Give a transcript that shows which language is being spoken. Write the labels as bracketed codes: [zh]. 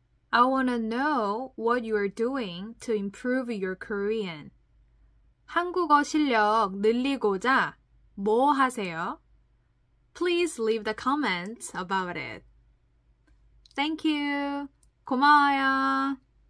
[en] I want to know what you are doing to improve your Korean. [ko] 한국어 실력 늘리고자 뭐 하세요? [en] Please leave the comments about it. Thank you. [ko] 고마워요.